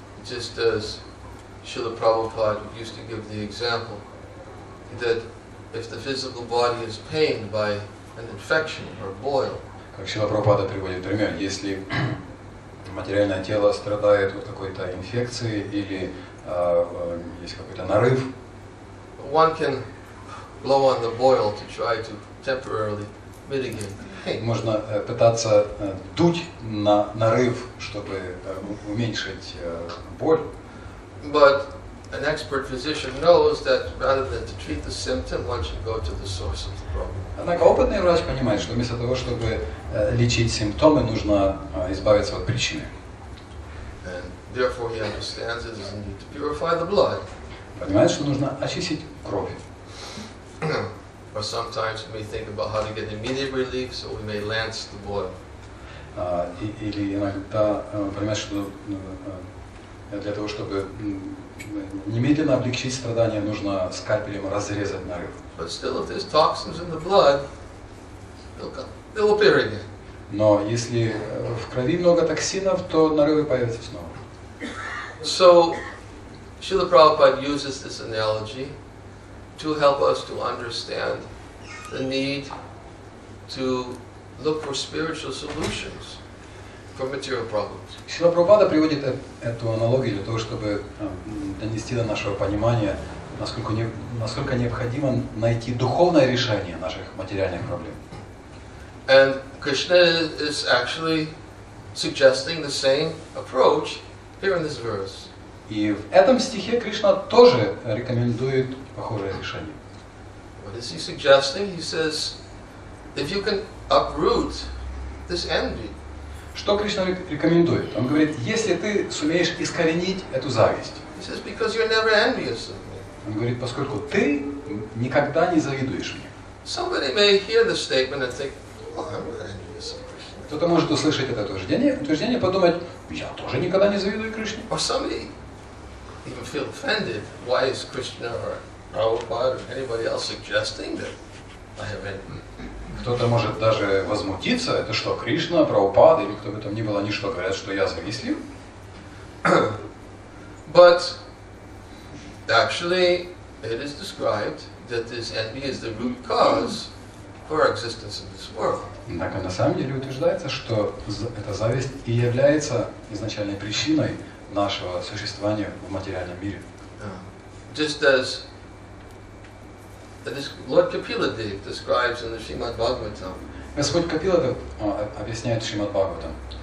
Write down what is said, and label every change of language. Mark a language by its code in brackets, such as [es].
[en] Just as Srila Prabhupada used to give the example that if the physical body is pained by an infection or a boil. [ru] Как Шрила Прабхупада приводит пример, если материальное тело страдает от какой-то инфекции или есть какой-то нарыв. [en] One can blow on the boil to try to temporarily mitigate the pain. [ru] Можно пытаться дуть на нарыв, чтобы уменьшить боль. [en] But an expert physician knows that rather than to treat the symptom, one should go to the source of the problem. [ru] Однако опытный врач понимает, что вместо того, чтобы лечить симптомы, нужно избавиться от причины. [en] And therefore he understands it is needed to purify the blood. [ru] Понимает, что нужно очистить кровь. [en] Or sometimes we may think about how to get immediate relief, so we may lance the boil. [ru] Или иногда понимает, что для того, чтобы немедленно облегчить страдания, нужно скальпелем разрезать нарыв. [en] But still, if there's toxins in the blood, they'll appear again. [ru] Но если в крови много токсинов, то нарывы появятся снова. [en] So, Srila Prabhupada uses this analogy to help us to understand the need to look for spiritual solutions for material problems. [ru] Шрила Прабхупада приводит эту аналогию для того, чтобы донести до нашего понимания, насколько необходимо найти духовное решение наших материальных проблем. [en] And Krishna is actually suggesting the same approach here in this verse. [ru] И в этом стихе Кришна тоже рекомендует похожее решение. [en] What is he suggesting? He says, if you can uproot this envy. [ru] Что Кришна рекомендует? Он говорит, если ты сумеешь искоренить эту зависть. [en] He says, because you're never envious of me. [ru] Он говорит, поскольку ты никогда не завидуешь мне. [en] Somebody may hear the statement and think, oh, I'm not envious of Krishna. [ru] Кто-то может услышать это утверждение, подумать, я тоже никогда не завидую Кришне. [en] Or somebody even feel offended, why is Krishna or Prabhupada or anybody else suggesting that I have envy? [ru] Кто-то может даже возмутиться, это что, Кришна, Прабхупада, или кто бы там ни был, они что, говорят, что я завистлив? [en] But actually it is described that this envy is the root cause for our existence in this world. [ru] Однако на самом деле утверждается, что эта зависть и является изначальной причиной нашего существования в материальном мире. [en] Just as this Lord Kapila Dev describes in the Srimad Bhagavatam. [ru] Господь Капила объясняет Шримад Бхагаватам.